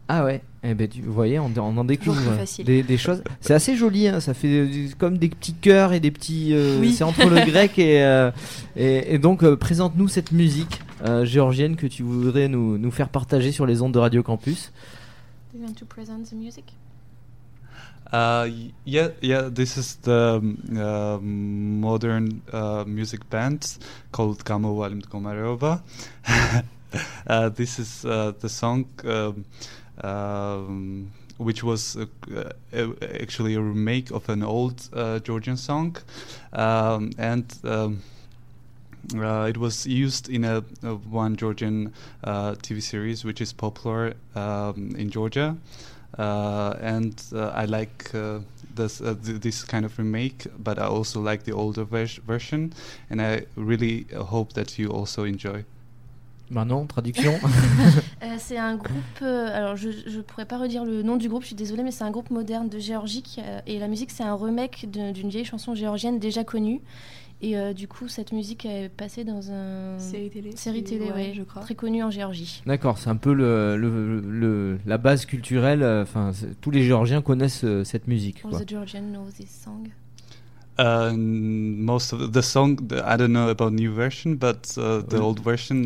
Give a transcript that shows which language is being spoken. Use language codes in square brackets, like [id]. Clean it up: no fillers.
[fr] Ah ouais, eh ben tu voyais, on en découvre des choses. C'est assez joli, hein. Ça fait comme des petits cœurs et des petits. Oui. C'est entre le grec et donc présente-nous cette musique géorgienne que tu voudrais nous faire partager sur les ondes de Radio Campus. [en] Do you want to present the music? Yeah. This is the modern music band called Kamo Valim Komareva. This is the song which was actually a remake of an old Georgian song, and it was used in one Georgian TV series which is popular in Georgia, and I like this kind of remake, but I also like the older version, and I really hope that you also enjoy. [fr] Manon, traduction. C'est un groupe, alors je pourrais pas redire le nom du groupe, je suis désolée, mais c'est un groupe moderne de Géorgie, et la musique c'est un remake d'une vieille chanson géorgienne déjà connue, et du coup cette musique est passée dans une série télé ouais, je crois. Très connue en Géorgie. D'accord, c'est un peu la base culturelle, enfin tous les Géorgiens connaissent cette musique. [en] All the Georgians know this song. Most of the song, I don't know about new version, but the old version.